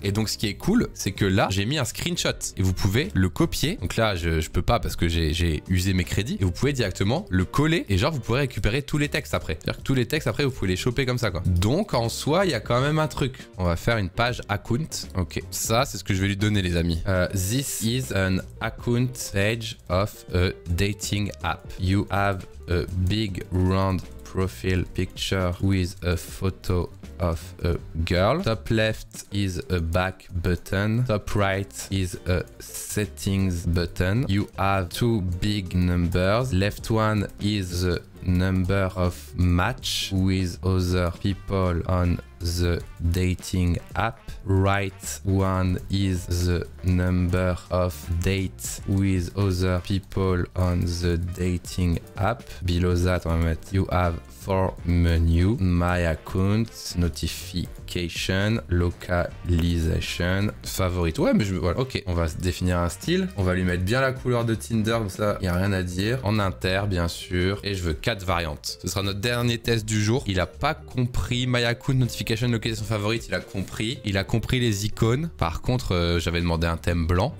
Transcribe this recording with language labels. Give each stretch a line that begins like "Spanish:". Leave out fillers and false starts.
French: Et donc ce qui est cool, c'est que là j'ai mis un screenshot et vous pouvez le copier. Donc là je peux pas parce que j'ai usé mes crédits, et vous pouvez directement le coller et genre vous pourrez récupérer tous les textes après. C'est-à-dire que tous les textes après vous pouvez les choper comme ça, quoi. Donc en soi il y a quand même un truc. On va faire une page account. Ok, ça c'est ce que je vais lui donner, les amis.
English: This is an account page of a dating app. You have a big round profile picture with a photo of a girl. Top left is a back button. Top right is a settings button. You have two big numbers. Left one is the number of match with other people on the dating app. Right one is the number of dates with other people on the dating app. Below that,
French: on va mettre
English: you have four menu, my account, notification, localization, favorite.
French: Ouais, mais je, voilà. Ok, on va définir un style. On va lui mettre bien la couleur de Tinder, comme ça, il n'y a rien à dire. En inter, bien sûr. Et je veux 4 variantes. Ce sera notre dernier test du jour. Il n'a pas compris my account, notification, localization, favorite. Il a compris. Il a compris les icônes. Par contre, j'avais demandé un thème blanc.